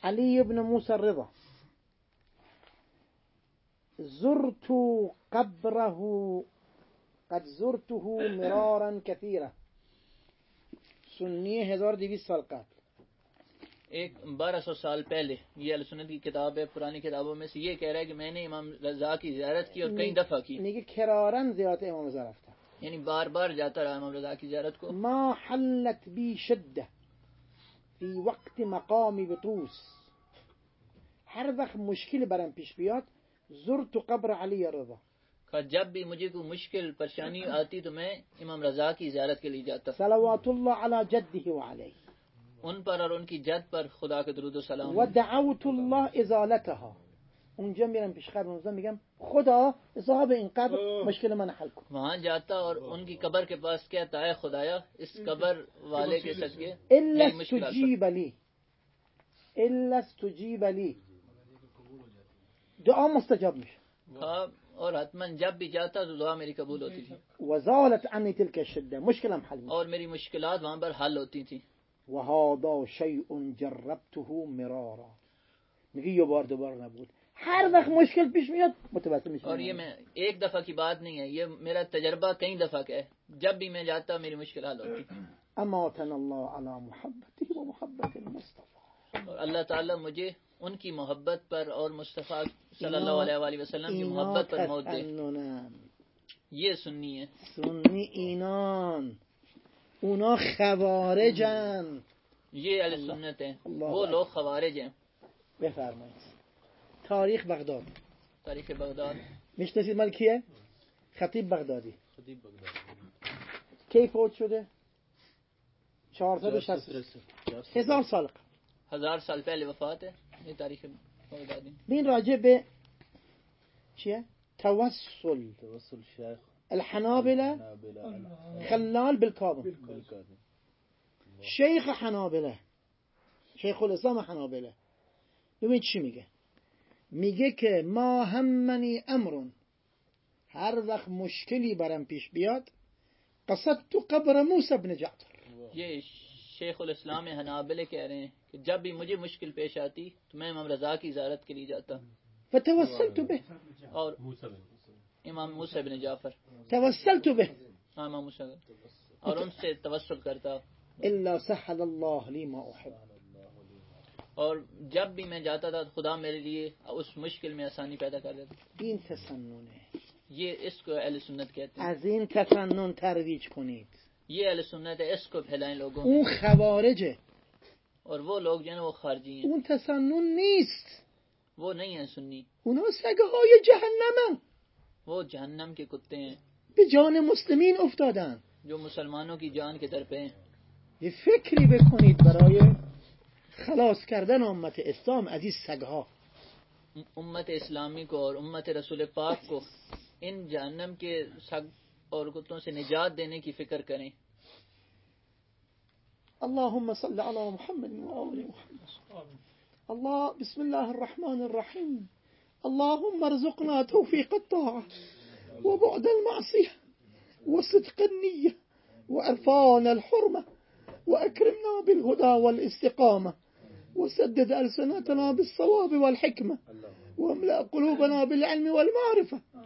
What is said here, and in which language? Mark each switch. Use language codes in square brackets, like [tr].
[ar] علی ابن موسی رضا زرت قبره قد زرته مرارا كثيرا [fa] سنی 1200 سال قبل [ur] ایک 1200 سال پہلے یہ اہل سنت کی کتاب ہے پرانی کتابوں میں سے یہ کہہ رہا ہے کہ میں نے امام رضا کی زیارت کی اور کئی دفعہ کی [fa] میگه کرارن زیارت امام رضا رفتا [ur] یعنی بار بار جاتا رہا امام رضا کی زیارت کو [ar] ما حلت بی شدہ فی وقت مقامی بطوس [fa] ہر وقت مشکل برم پیش بیاد [ar] زرت قبر علی رضا [ur] کہ جب بھی مجھے کوئی مشکل پریشانی آتی تو میں امام رضا کی زیارت کے لیے جاتا [ar] صلوات اللہ علی جدہ و علیہ [ur] ان پر اور ان کی جد پر خدا کے درود و سلام [ar] و دعوت الله ازالتها [fa] اونجا میرم پیش قبر موزا میگم خدا اصحاب این قبر مشکل من حل کن [ur] وہاں جاتا اور ان کی قبر کے پاس کہتا ہے خدایا اس قبر والے کے صدقے [ar] الا استجیب لی الا استجیب لی [fa] دعا مستجاب میشه [ur] اور حتما جب بھی جاتا تو دعا میری قبول ہوتی تھی [ar] و زالت عنی تلک الشده [fa] مشکلم حل [ur] اور میری مشکلات وہاں پر حل ہوتی تھی [ar] وهذا شيء جربته مرارا [fa] میگه یه بار دوبار نبود ہر وقت مشکل پیش میاد متبسم میشم. [ur] اور یہ میں ایک دفعہ کی بات نہیں ہے، یہ میرا تجربہ کئی دفعہ کا ہے، جب بھی میں جاتا میری مشکل حل ہوتی. [ar] اما وطن اللہ علی محبتی و محبت المصطفی، [ur] اور اللہ تعالی مجھے ان کی محبت پر اور مصطفی صلی اللہ علیہ وآلہ وسلم کی محبت پر موت دے. یہ سنی ہے، [fa] سنی اینان، اونا خوارجن، [ur] یہ اہل سنت ہیں، وہ لوگ خوارج ہیں. بفرمائیں تاریخ بغداد. تاریخ بغداد [fa] میشناسید مال کیه؟ خطیب بغدادی. خطیب بغدادی کی فوت شده؟ 463 هزار سال، [ur] هزار سال پہلے وفات ہے. یہ تاریخ بغدادی [fa] بین راجع به چیه؟ توسل، [ar] توسل شیخ الحنابلة خلال بالكاظم، شيخ حنابلة، شيخ الإسلام حنابلة. [fa] ببین چی میگه؟ میگه که ما همنی امرون، هر وقت مشکلی برام پیش بیاد قصدت قبر موسی بن جعفر. [ur] یہ شیخ الاسلام حنابلہ کہہ رہے ہیں کہ جب بھی مجھے مشکل پیش آتی تو میں امام رضا کی زیارت کے لیے جاتا. [ar] فتوسلت به، [ur] اور امام موسی بن جعفر [ar] توسلت به، [ur] امام موسی بن جعفر، اور ان سے توسل کرتا. [ar] الا سحل الله لی ما احب، [ur] اور جب بھی میں جاتا تھا خدا میرے لیے اس مشکل میں آسانی پیدا کر دیتا. [fa] این تسنن، [ur] یہ اس کو اہل سنت کہتے ہیں. [fa] از این تسنن ترویج کنید، [ur] یہ اہل سنت ہے، اس کو پھیلائیں لوگوں. [fa] اون خوارج ہے، [ur] اور وہ لوگ جن وہ خارجی ہیں. [fa] اون تسنن نیست، [ur] وہ نہیں ہیں سنی. [fa] اونا سگهای جهنم ہیں، [ur] وہ جہنم کے کتے ہیں. [fa] بے جان مسلمین افتادن، [ur] جو مسلمانوں کی جان کے در پہ ہیں. [fa] یہ فکری بکنید برای خلاص کردن امت اسلام از این سگها، [ur] امت اسلامی کو اور امت رسول پاک کو ان جہنم کے سگ اور کتوں سے نجات دینے کی فکر کریں. [ar] اللهم صل على محمد و آل محمد. اللہ، بسم اللہ الرحمن الرحیم. اللهم ارزقنا توفيق الطاعة وبعد المعصية وصدق النية وعرفان الحرمة وأكرمنا بالهدى والاستقامة وسدد ألسنتنا بالصواب والحكمة واملأ قلوبنا بالعلم والمعرفة